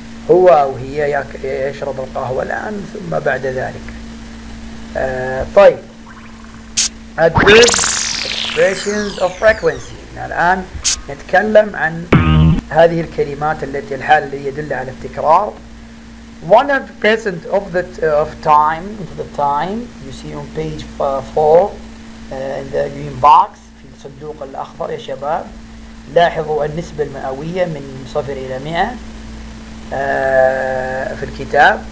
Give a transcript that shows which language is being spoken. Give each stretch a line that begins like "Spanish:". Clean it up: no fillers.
Arabic: هو أو هي يشرب القهوة الآن ثم بعد ذلك.
English: طيب. Adverb. Expressions of frequency.
Arabic: الآن نتكلم عن هذه الكلمات التي الحال اللي يدل على التكرار.
English: 100% of the time. You see on page 4 in the green box.
Arabic: في الصندوق الأخضر يا شباب. لاحظوا النسبة المئوية من 0 إلى 100 في الكتاب.